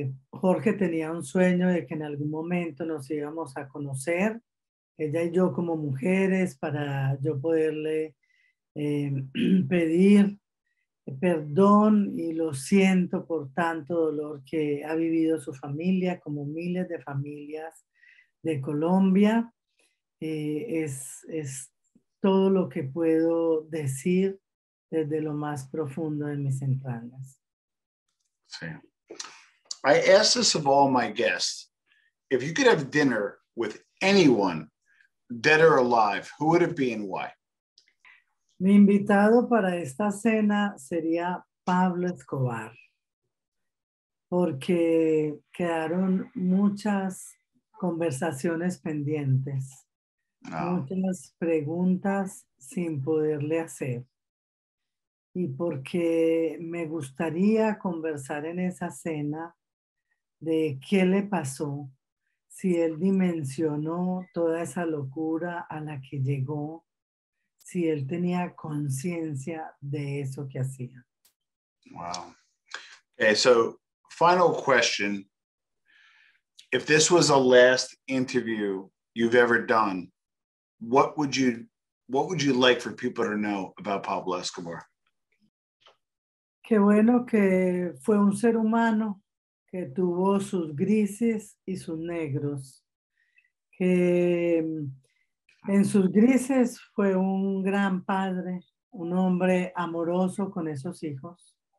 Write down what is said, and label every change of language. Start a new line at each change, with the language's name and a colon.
Spanish: Jorge tenía un sueño de que en algún momento nos íbamos a conocer, ella y yo como mujeres, para yo poderle pedir perdón, y lo siento por tanto dolor que ha vivido su familia, como miles de familias de Colombia. Es todo lo que puedo decir desde lo más profundo de mis entrañas. Sí.
English: I ask this of all my guests. If you could have dinner with anyone, dead or alive, who would it be and why?
Spanish: Mi invitado para esta cena sería Pablo Escobar, porque quedaron muchas conversaciones pendientes, muchas preguntas sin poderle hacer, y porque me gustaría conversar en esa cena de qué le pasó, si él dimensionó toda esa locura a la que llegó, si él tenía conciencia de eso que hacía.
English: Wow. Okay, so final question. If this was the last interview you've ever done, what would you like for people to know about Pablo Escobar?
Spanish: Qué bueno que fue un ser humano que tuvo sus grises y sus negros. Que en sus grises fue un gran padre, un hombre amoroso con esos hijos.